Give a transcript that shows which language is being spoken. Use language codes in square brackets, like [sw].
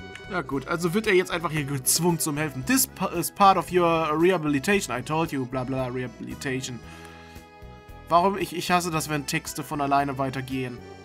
[de] Ja gut, also wird er jetzt einfach hier gezwungen zum Helfen. [en] This is part of your rehabilitation, I told you. Blah blah, rehabilitation. [de] Warum? Ich hasse das, wenn Texte von alleine weitergehen.